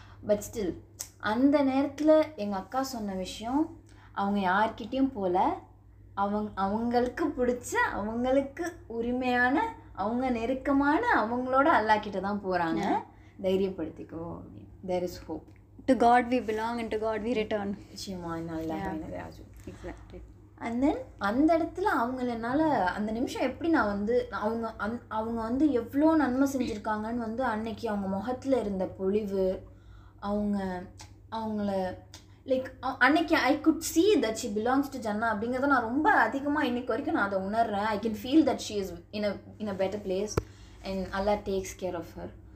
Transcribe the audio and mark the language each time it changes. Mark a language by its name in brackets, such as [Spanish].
[Tamil] But still அந்த நேரத்தில் எங்கள் அக்கா சொன்ன விஷயம் அவங்க யார்கிட்டையும் போல அவங்களுக்கு பிடிச்ச அவங்களுக்கு உரிமையான அவங்க நெருக்கமான அவங்களோட அல்லா கிட்ட தான் போகிறாங்க, தைரியப்படுத்திக்கோ அப்படின்னு. [English] There is hope. To God we belong and to God we return. சிமா [Tamil] என்னால் அண்ட் தென் அந்த இடத்துல அவங்களால அந்த நிமிஷம் எப்படி நான் வந்து அவங்க அவங்க வந்து எவ்வளோ நன்மை செஞ்சுருக்காங்கன்னு வந்து அன்னைக்கு அவங்க முகத்தில் இருந்த பொழிவு அவங்க அவங்கள லைக் அன்னைக்கு [English] I could see that she belongs to ஜன்னா [Tamil] அப்படிங்கிறத நான் ரொம்ப அதிகமாக இன்னைக்கு வரைக்கும் நான் அதை உணர்றேன். [English] I can feel that she is in a better place and Allah takes care of her.